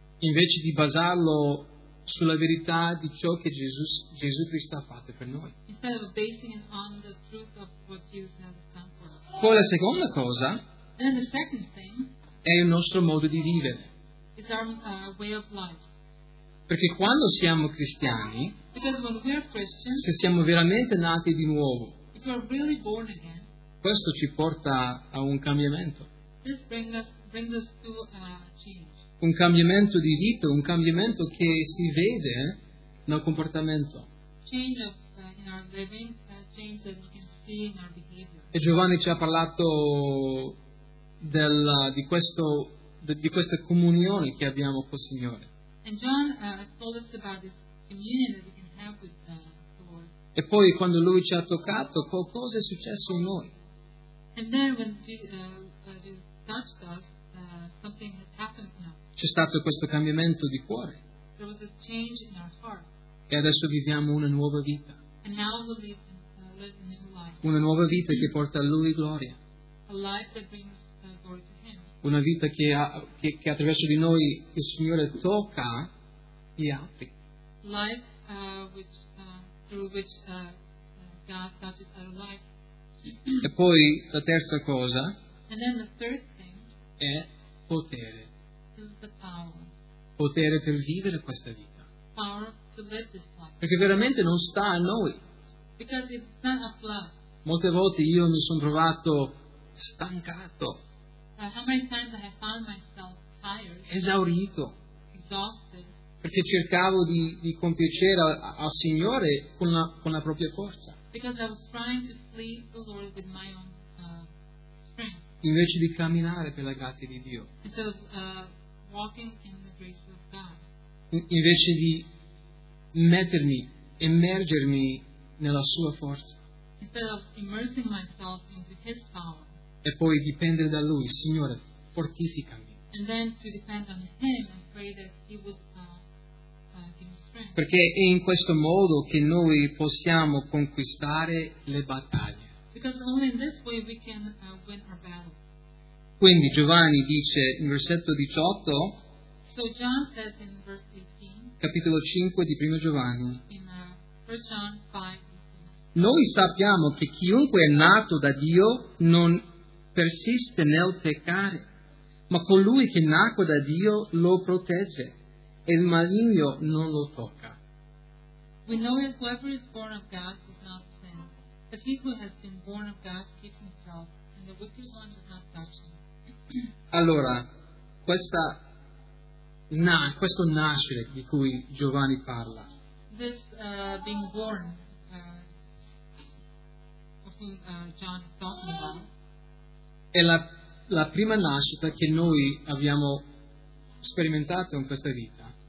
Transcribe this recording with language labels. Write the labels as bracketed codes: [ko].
[it] Invece di basarlo sulla verità di ciò che Gesù Cristo ha fatto per noi. [en] Instead of basing it on the truth of what Jesus has done for us. [it] Poi la seconda cosa. [en] And then the second thing. [it] È il nostro modo di vivere. [en] It's our way of life. [it] Perché quando siamo cristiani, [en] when we are Christians, [it] se siamo veramente nati di nuovo, [en] if we are really born again, [it] questo ci porta a un cambiamento. [en] This brings us to a change. [it] Un cambiamento di vita, un cambiamento che si vede nel comportamento. E Giovanni ci ha parlato di questa comunione che abbiamo col Signore. [en] And John told us about this communion that we can have with the Lord. [it] E poi quando lui ci ha toccato, qualcosa è successo in noi. [en] And then when he touched us, something has happened in us. [it] C'è stato questo cambiamento di cuore. [en] There was a change in our heart. [it] E adesso viviamo una nuova vita. [en] And now we live a new life. [it] Una nuova vita che porta a lui gloria. [en] A life that brings glory to him. [it] Una vita che attraverso di noi il Signore tocca gli altri. [en] Life which through which God touches our life. [it] E poi la terza cosa. [en] And then the third thing [it] è potere. [en] The [it] potere per vivere questa vita. [en] Power to live this life. [it] Perché veramente non sta a noi. [en] Because it's not a plus. [it] Molte volte io mi sono trovato stancato. [en] How many times I have found myself tired. [it] Esaurito. [en] Exhausted. [it] Perché cercavo di compiacere al Signore con la propria forza. [en] Because I was trying to please the Lord with my own strength. [it] Invece di camminare per la grazia di Dio. [en] Walking in the grace of God. [it] Invece di mettermi, immergermi nella sua forza. [en] Instead of immersing myself into his power. [it] E poi dipendere da lui, Signore, fortificami. [en] And then to depend on him and pray that he would give me strength. [it] Perché è in questo modo che noi possiamo conquistare le battaglie. [en] Because only in this way we can win our battles. [it] Quindi Giovanni dice in versetto 18, [en] so John says in verse 18 [it] capitolo 5 di Primo Giovanni, [en] in, first John 5, [it] noi sappiamo che chiunque è nato da Dio non persiste nel peccare, ma colui che nacque da Dio lo protegge e il maligno non lo tocca. [en] We know that whoever is born of God does not sin, but he who has been born of God keeps himself, and the wicked one does not touch him. [it] Allora, questo nascere di cui Giovanni parla. [en] This being born of whom John is talking about. [it] È la prima nascita che noi abbiamo sperimentato in questa vita.